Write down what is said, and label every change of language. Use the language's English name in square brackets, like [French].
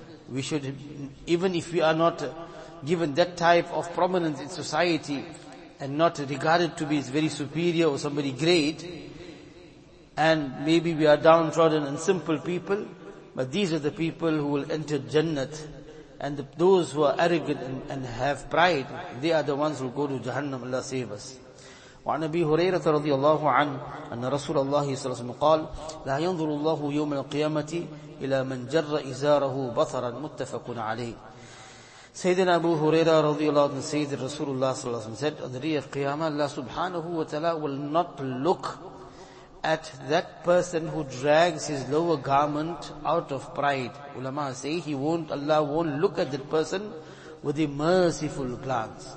[English] We should, even if we are not given that type of prominence in society and not regarded to be very superior or somebody great, and maybe we are downtrodden and simple people, but these are the people who will enter Jannat. And those who are arrogant and have pride, they are the ones who go to Jahannam. Allah save us. [Arabic] وعن أبي هريرة رضي الله عنه أن رسول الله صلى الله عليه وسلم قال لا ينظر الله يوم القيامة إلى من جر إزاره بطرا. متفق عليه. سيدنا أبو هريرة رضي الله عنه سيد رسول الله صلى الله عليه وسلم [English] said on the day of [Arabic] قيامة الله سبحانه وتعالى [English] will not look at that person who drags his lower garment out of pride. علماء say he won't, Allah won't look at that person with a merciful glance.